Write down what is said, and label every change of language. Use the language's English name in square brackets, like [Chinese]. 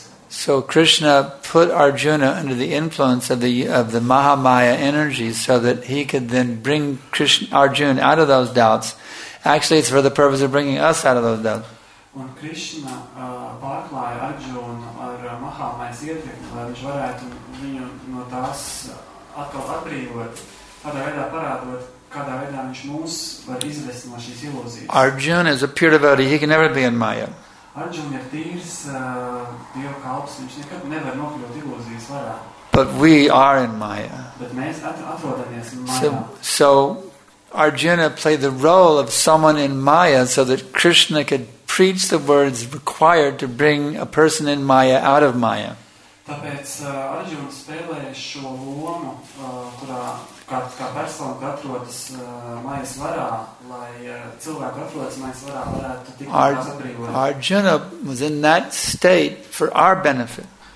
[English] So Krishna put Arjuna under the influence of the Mahamaya energy so that he could then bring Arjuna out of those doubts. Actually, it's for the purpose of bringing us out of those doubts. [Latvian] Un Krishna pārklāja Arjuna ar mahāmājas ietekmi, lai viņš varētu viņu no tās atkal atbrīvot, kādā veidā parādot, kādā veidā viņš mūs var izvest no šīs ilūzijas. [English] Arjuna is a pure devotee, he can never be in Maya. [Latvian] Arjuna ir tīrs Dieva kalps, viņš nekad nevar nokļūt ilūzijas varā. [English] But we are in Maya. [Latvian] Bet mēs atrodamies Maya. [English] So Arjuna played the role of someone in Maya so that Krishna could preach the words required to bring a person in Maya out of Maya. Arjuna was in that state for our benefit.